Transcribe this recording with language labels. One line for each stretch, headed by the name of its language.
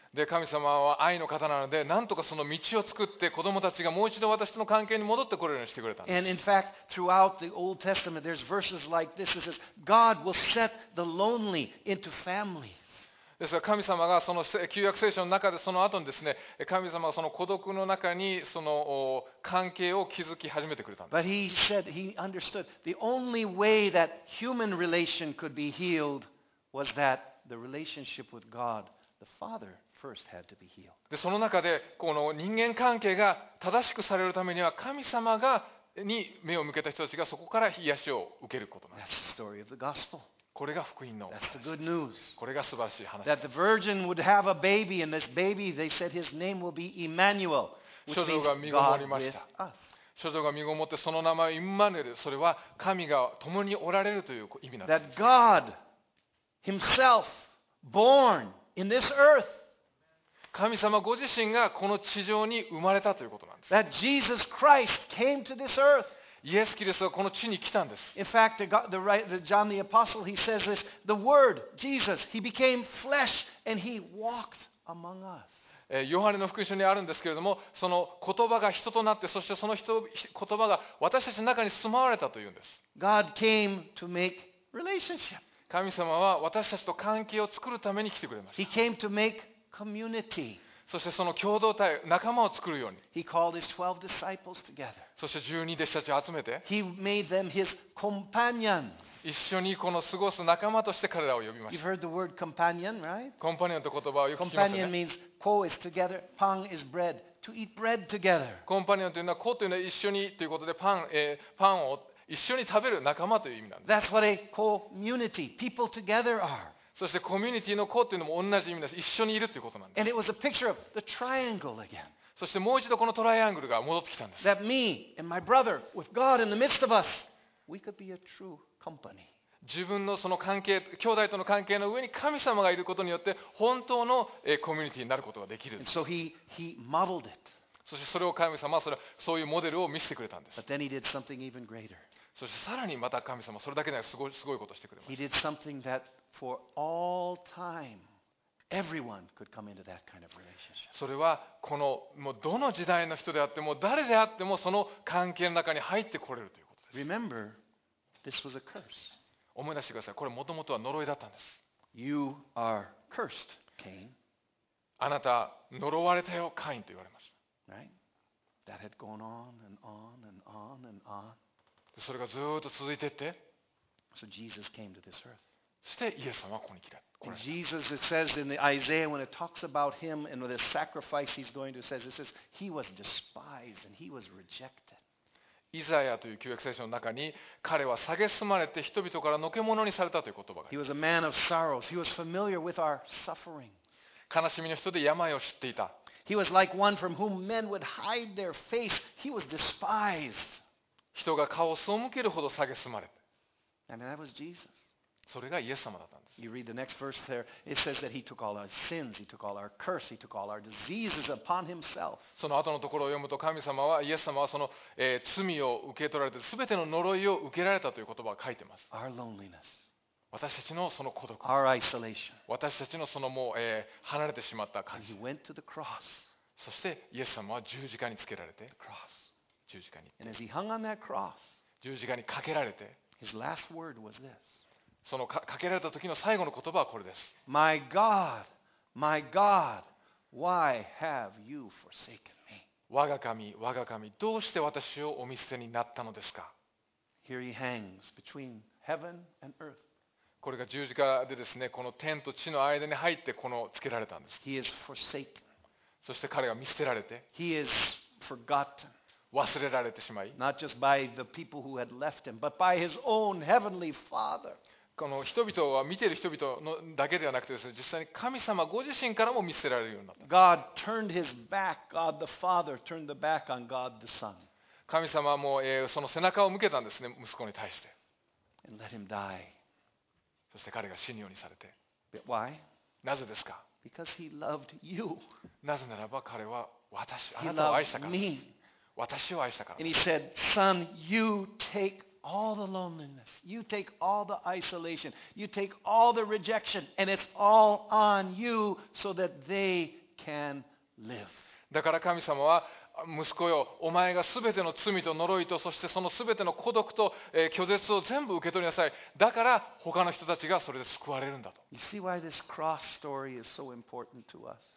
Japanese: で神様は愛の方なので、なんとかその道を作って子供たちがもう一度私との関係に戻ってこれるようにしてくれたんです。
English: And in fact, throughout the Old Testament, there's verses like this that says, God will set the lonely into family.
Japanese: ですが神様がその旧約聖書の中でその後にですね、神様がその孤独の中にその関係を築き始めてくれたんです。
English: But he said he understood the only way that human relation could be healed was that the relationship with God, the Father, first had to be healed.
Japanese: で、その中でこの人間関係が正しくされるためには神様がに目を向けた人たちがそこから癒しを受けることなんです。
English: That's the story of the gospel.
Japanese: これが福音の話です。
English: That's the good news.
Japanese: これが素晴らしい話です。
English: That the virgin would have a baby, and this baby, they said his name will be Emmanuel, which means God with us.
Japanese: 処女が身ごもりました。処女が身ごもってその名前イマヌエル、それは神が共におられるという意味なんです。
English: That God himself born in this earth.
Japanese: 神様ご自身がこの地上に生まれたということなんです。
English: That Jesus Christ came to this earth.
Japanese: イエス・キリストがこの地に来たんです。
English: In fact, the John the Apostle, he says this, the Word, Jesus, he became flesh and he walked among us.
Japanese: ヨハネの福音書にあるんですけれども、その言葉が人となって、そしてその人言葉が私たちの中に住まわれたというんです。
English: God came to make relationship.
Japanese: 神様は私たちと関係を作るために来てくれました。
English: He came to make community.
Japanese: そしてその共同体、仲間を作るように。
English: He called his 12 disciples together.
Japanese: そして12弟子たちを集めて。
English: He made them his companions.
Japanese: 一緒にこの過ごす仲間として彼らを呼びました。
English: You've heard the word companion, right?
Japanese: コンパニオンという言葉をよく聞きますよね。
English: Companion means co is together, pan is bread, to eat bread together.
Japanese: コンパニオンというのは co というのは一緒にということでパンを一緒に食べる仲間という意味なんです。
English: That's what a community, people together are.
Japanese: そしてコミュニティの co というのも同じ意味です。一緒にいるということなんです。
English: And it was a picture of the triangle again.
Japanese: そしてもう一度このトライアングルが戻ってきたんです。
English: That me and my brother with God in the midst of us, we could be a true.
Japanese: 自分のその関係、兄弟との関係の上に神様がいることによって本当のコミュニティになることができる。
English: So he modeled it.
Japanese: そしてそれを神様はそういうモデルを見せてくれたんです。
English: But then he did something even greater.
Japanese: そしてさらにまた神様はそれだけではすごいことをしてくれました。
English: He did something that for all time everyone could come into that kind of relationship.
Japanese: それはこのもうどの時代の人であっても誰であってもその関係の中に入ってこれるということです。
English: RememberThis was a curse.
Japanese: 思い出してください。これもともとは呪いだったんです。
English: You are cursed, Cain.
Japanese: あなた呪われたよ、カインと言われました。
English: Right? That had gone on and on and on and on.
Japanese: それがずっと続いていって。
English: So Jesus came to this earth.
Japanese: そしてイエス様はここに来た。
English: And Jesus, it says in the Isaiah when it talks about him and with his sacrifice he's going to, it says he was despised and he was rejected.
Japanese: イザヤという旧約聖書の中に彼は蔑まれて人々からのけものにされたという言葉があります。
English: He was a man of sorrows. He was familiar with our suffering.
Japanese: 悲しみの人で病を知っていた。
English: He was like one from whom men would hide their face. He was despised.
Japanese: 人が顔を背けるほど蔑まれて。
English: And that was Jesus.
Japanese: それがイエス様だったんです。
English: You read the next verse there. It says that he took all our sins. He took all our curse. He took all our diseases upon himself.
Japanese: その後のところを読むと、神様はイエス様はその、罪を受け取られて、すべての呪いを受けられたという言葉を書いてます。
English: Our loneliness.
Japanese: 私たちのその孤独。
English: Our isolation.
Japanese: 私たちのそのもう、離れてしまった感じ。
English: He went to the cross.
Japanese: そしてイエス様は十字架につけられて。
English: The cross.
Japanese: 十字架に。
English: And as he hung on that cross.
Japanese: 十字架にかけられて。
English: His last word was this.
Japanese: そのかけられた時の最後の言葉はこれです。
English: My God, my God, why have you forsaken me?
Japanese: 我が神、我が神、どうして私をお見捨てになったのですか。
English: Here he hangs between heaven and earth.
Japanese: これが十字架でですね、この天と地の間に入ってこのつけられたんです。
English: He is forsaken.
Japanese: そして彼が見捨てられて。
English: He is forgotten.
Japanese: 忘れられてしまい。
English: Not just by the people who had left him, but by his own heavenly father.
Japanese: この人々は見ている人々のだけではなくてですね、実際に神様ご自身からも見捨てられるようになった。
English: God turned his back. God the Father turned the back on God the Son.
Japanese: 神様もその背中を向けたんですね、息子に対して。
English: And let him die.
Japanese: そして彼が死ぬようにされて。
English: But why?
Japanese: なぜですか
English: ？Because he loved you.
Japanese: なぜならば彼は私、あなたを愛したから。
English: He loved me.
Japanese: 私を愛したから。
English: And he said, "Son, you take." All the loneliness, you take all the isolation, you take all the rejection, and it's all on you so that they can live.
Japanese: だから神様は息子よ、お前がすべての罪と呪いと、そしてそのすべての孤独と拒絶を全部受け取りなさい。だから他の人たちがそれで救われるんだと。
English: You see why this cross story is so important to us.